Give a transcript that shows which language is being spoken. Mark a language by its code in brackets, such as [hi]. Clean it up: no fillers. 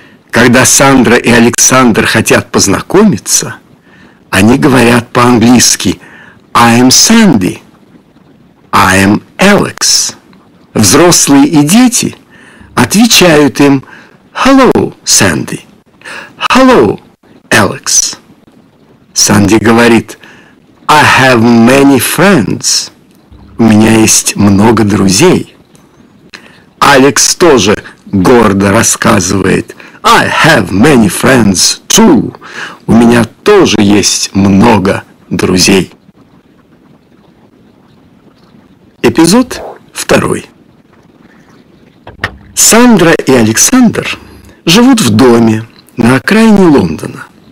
[ru] Когда Сандра и Александр хотят познакомиться, они говорят по-английски [en] «I'm Sandy», «I'm Alex». [ru] Взрослые и дети отвечают им [en] Hello, Sandy. Hello, Alex. [ru] Санди говорит, [en] I have many friends. [ru] У меня есть много друзей. Алекс тоже гордо рассказывает, [en] I have many friends too. [ru] У меня тоже есть много друзей. Эпизод второй. Сандра и Александр живут в доме на окраине Лондона.